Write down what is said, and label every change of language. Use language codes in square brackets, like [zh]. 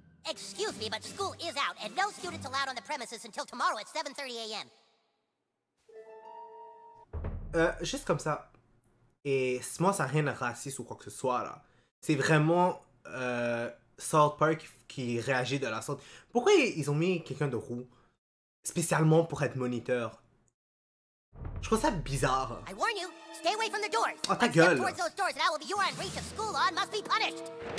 [en] Excuse me, but school is out, and no students allowed on the premises until tomorrow at 7:30 a.m. [fr] Juste comme ça. Et moi, ça n'a rien de raciste ou quoi que ce soit, là. C'est vraiment South Park qui réagit de la sorte. Pourquoi ils ont mis quelqu'un de roux spécialement pour être moniteur? Je trouve ça bizarre. [en] I warn you, stay away from the doors. [fr] Oh, ta gueule. [en] Step towards those doors and I will be your unbreach of school law and must be punished.